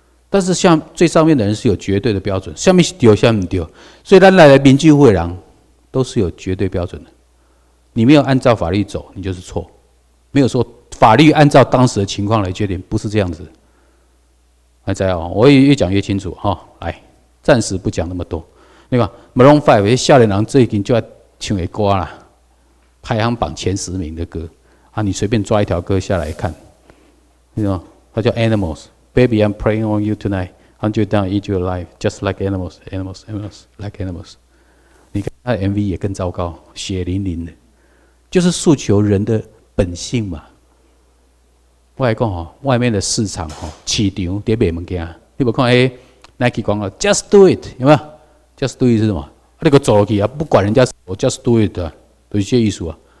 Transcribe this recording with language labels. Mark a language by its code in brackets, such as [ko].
[zh] 但是像最上面的人是有绝对的标准，下面是对，下面不对，所以咱来民进会人都是有绝对标准的。你没有按照法律走，你就是错。没有说法律按照当时的情况来决定，不是这样子。还在哦，我也越讲越清楚哈、哦。来，暂时不讲那么多。那个 Maroon 5的少年人最近就要唱的歌啦，排行榜前十名的歌啊，你随便抓一条歌下来看，你知道它叫 [en] Animals， Baby I'm praying on you tonight， Hunt you down, eat you alive， just like animals， [zh] animals， animals， like animals。你看它的 MV 也更糟糕，血淋淋的。就是诉求人的本性嘛。我来讲哦，外面的市场哦，市场在卖物件，你无看哎 ，Nike 广告 ， [en] Just do it， [zh] 有没有 ？Just do it 是什么？啊、你个走路啊，不管人家什么 ， [en] Just do it， [zh] 都是这意思啊。